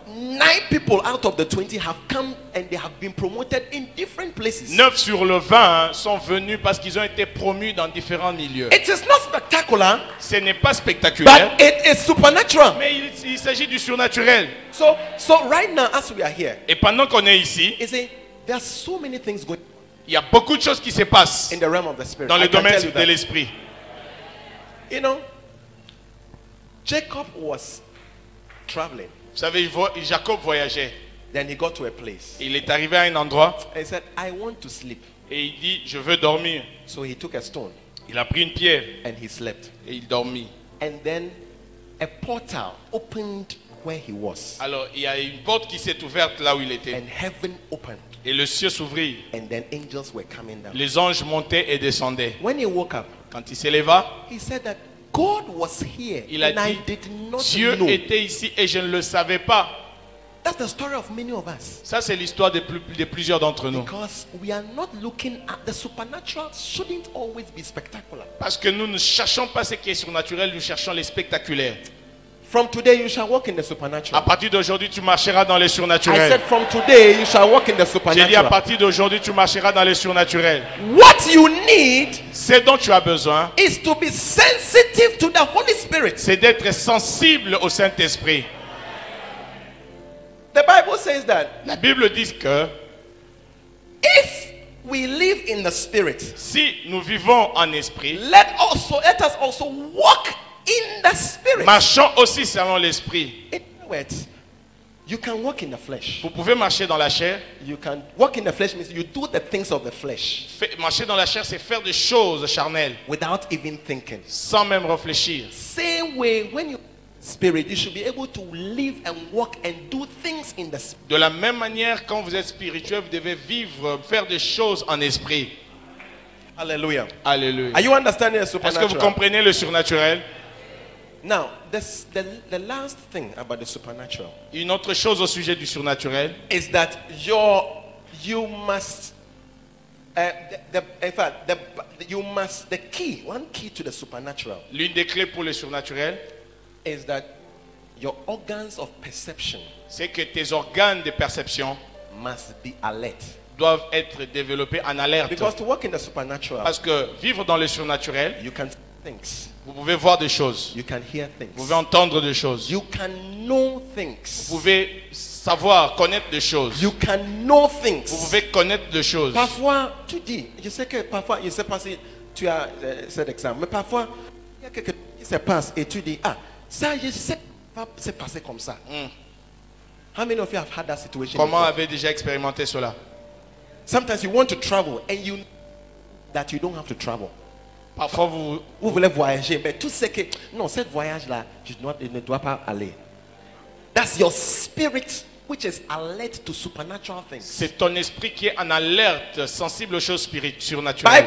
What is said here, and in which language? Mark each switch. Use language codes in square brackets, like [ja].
[en] 9 people out of the 20 have come and they have been promoted in different places. [fr] 9 sur le 20 sont venus parce qu'ils ont été promus dans différents milieux. [en] It is not spectacular. [fr] Ce n'est pas spectaculaire. [en] But it is supernatural. [fr] Mais il s'agit du surnaturel. [en] So right now as we are here. [fr] Et pendant qu'on est ici, [en] is it, there are so many things going on. [fr] Il y a beaucoup de choses qui se passent [en] in the realm of the spirit. [fr] Dans le domaine de l'esprit. [en] You know, Jacob was traveling. [fr] Vous savez, Jacob voyageait. [en] Then he got to a place. [fr] Il est arrivé à un endroit. [en] He said, I want to sleep. [fr] Et il dit, je veux dormir. [en] So he took a stone. [fr] Il a pris une pierre. [en] And he slept. [fr] Et il dormit. [en] And then a portal opened where he was. [fr] Alors, il y a une porte qui s'est ouverte là où il était. [en] And heaven opened. [fr] Et le ciel s'ouvrit. [en] And then angels were coming down. [fr] Les anges montaient et descendaient. [en] When he woke up, [fr] quand il s'éleva, [en] he said that God was here, [fr] il a [en] and [fr] dit, [en] I did not [fr] Dieu [en] know. [fr] Était ici et je ne le savais pas. [en] That's the story of many of us. [fr] Ça, c'est l'histoire de plusieurs d'entre nous. [en] Because we are not looking at the supernatural, shouldn't always be spectacular. [fr] Parce que nous ne cherchons pas ce qui est surnaturel, nous cherchons les spectaculaires. [en] From today, you shall walk in the supernatural. [fr] À partir d'aujourd'hui, tu marcheras dans les surnaturels. [en] I said, from today, you shall walk in the supernatural. [fr] J'ai dit, à partir d'aujourd'hui, tu marcheras dans les surnaturels. [en] What you need, [fr] c'est dont tu as besoin, [en] is to be sensitive to the Holy Spirit. [fr] C'est d'être sensible au Saint-Esprit. [en] The Bible says that. [fr] La Bible dit que [en] if we live in the Spirit, [fr] si nous vivons en esprit, [en] let us also walk in the spirit. [fr] Marchons aussi selon l'esprit. [en] You can walk in the flesh. [fr] Vous pouvez marcher dans la chair. [en] You can walk in the flesh means you do the things of the flesh. [fr] Marcher dans la chair, c'est faire des choses charnelles. [en] Without even thinking. [fr] Sans même réfléchir. [en] Same way, when you spirit, you should be able to live and walk and do things in the spirit. [fr] De la même manière, quand vous êtes spirituel, vous devez vivre, faire des choses en esprit. [en] Hallelujah. [fr] Hallelujah. [en] Are you understanding the supernatural? [fr] Est-ce que vous comprenez le surnaturel? [en] Now, the last thing about the supernatural. [fr] Une autre chose au sujet du surnaturel. [en] Is that one key to the supernatural. [fr] L'une des clés pour le surnaturel. [en] Is that your organs of perception. [fr] C'est que tes organes de perception [en] must be alert. [fr] Doivent être développés en alerte. [en] Because to work in the supernatural. [fr] Parce que vivre dans le surnaturel. [en] You can see things. [fr] Vous pouvez voir des choses. [en] You can hear things. [fr] Vous pouvez entendre des choses. [en] You can know things. [fr] Vous pouvez savoir, connaître des choses. [en] You can know things. [fr] Vous pouvez connaître des choses. Parfois, tu dis, je sais que parfois, il s'est passé, tu as cet exemple, mais parfois, il y a quelque chose qui se passe et tu dis, ah, ça, je sais que ça va se passer comme ça. Mm. [en] How many of you have had that situation? [fr] Comment avez-vous déjà expérimenté cela? [en] Sometimes you want to travel and you know that you don't have to travel. [fr] Parfois vous voulez voyager, mais tout ce que non, cet voyage là, je ne dois pas aller. [en] That's your spirit which is alert to supernatural things. [fr] C'est ton esprit qui est en alerte, sensible aux choses spirituelles, surnaturelles.